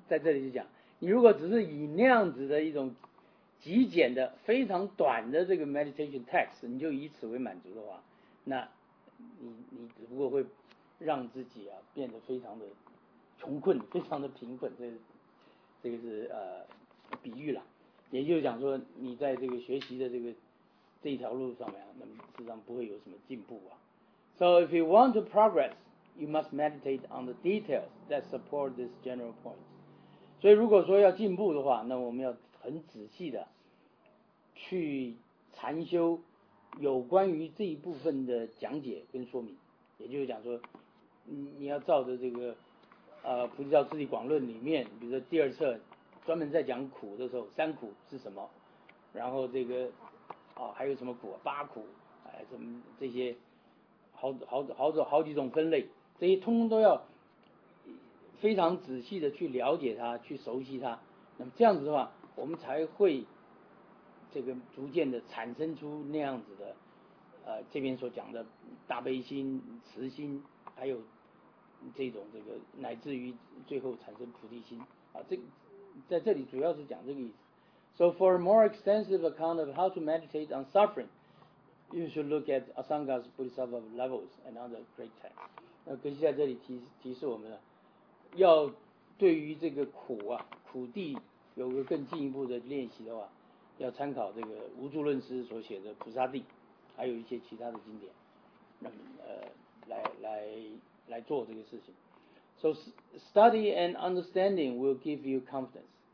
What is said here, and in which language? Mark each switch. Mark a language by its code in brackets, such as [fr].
[zh] 在这里就讲，你如果只是以那样子的一种极简的、非常短的这个 meditation text， 你就以此为满足的话，那你只不过会让自己啊变得非常的穷困、非常的贫困。这个是比喻了，也就是讲说你在这个学习的这条路上面，那么实际上不会有什么进步啊。 [en] So if you want to progress, you must meditate on the details that support this general point. [zh] 所以如果说要进步的话，那我们要很仔细的去禅修有关于这一部分的讲解跟说明。也就是讲说你要照着这个菩提道次第广论里面，比如说第二册专门在讲苦的时候，三苦是什么，然后这个还有什么苦，八苦，什么这些好几种分类，这些通通都要非常仔细的去了解它，去熟悉它。那么这样子的话，我们才会这个逐渐的产生出那样子的这边所讲的大悲心、慈心，还有这种这个乃至于最后产生菩提心啊。这在这里主要是讲这个意思。 [en] So for a more extensive account of how to meditate on suffering, you should look at Asanga's Bodhisattva Levels and other great texts. [zh] 那格西在这里提示我们了，要对于这个苦啊苦地有个更进一步的练习的话，要参考这个无著论师所写的菩萨地，还有一些其他的经典，来做这个事情。 [en] So study and understanding will give you confidence.